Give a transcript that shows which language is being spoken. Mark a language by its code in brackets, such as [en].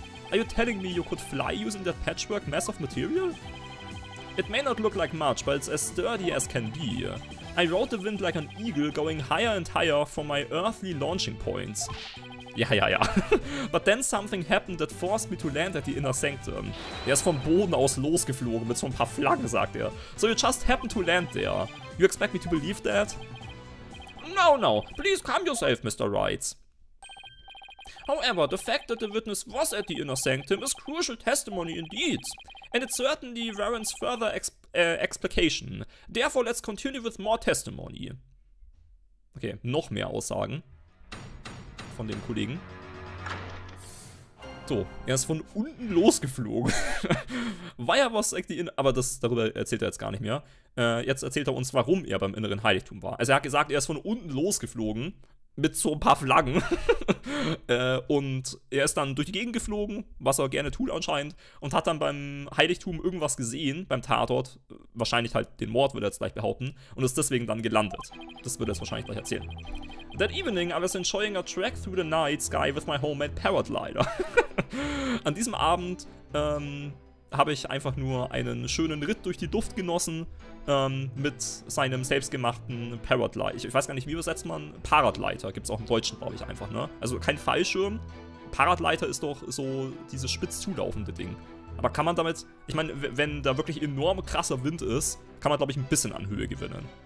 [en] Are you telling me you could fly using that patchwork mass of material? It may not look like much, but it's as sturdy as can be. I rode the wind like an eagle going higher and higher from my earthly launching points. [de] Ja. [en] But then something happened that forced me to land at the Inner Sanctum. [de] Er ist vom Boden aus losgeflogen mit so ein paar Flaggen, sagt er. [en] So you just happened to land there. You expect me to believe that? No, no. Please calm yourself, Mr. Wright. However, the fact that the witness was at the Inner Sanctum is crucial testimony indeed. And it certainly warrants further explication. Therefore, let's continue with more testimony. [de] Okay, noch mehr Aussagen von dem Kollegen. So, er ist von unten losgeflogen. [en] Why I was at the Inner... [de] Aber darüber erzählt er jetzt gar nicht mehr. Jetzt erzählt er uns, warum er beim inneren Heiligtum war. Also er hat gesagt, er ist von unten losgeflogen mit so ein paar Flaggen. und er ist dann durch die Gegend geflogen, was er gerne tut anscheinend, und hat dann beim Heiligtum irgendwas gesehen, beim Tatort. Wahrscheinlich halt den Mord, würde er jetzt gleich behaupten. Und ist deswegen dann gelandet. Das würde er jetzt wahrscheinlich gleich erzählen. [en] That evening I was enjoying a trek through the night sky with my homemade paraglider. [de] An diesem Abend habe ich einfach nur einen schönen Ritt durch die Luft genossen mit seinem selbstgemachten Paraglider. Ich weiß gar nicht, wie übersetzt man Paraglider. Gibt es auch im Deutschen, glaube ich, einfach, ne? Also kein Fallschirm. Paraglider ist doch so dieses spitz zulaufende Ding. Aber kann man damit, ich meine, wenn da wirklich enorm krasser Wind ist, kann man, glaube ich, ein bisschen an Höhe gewinnen.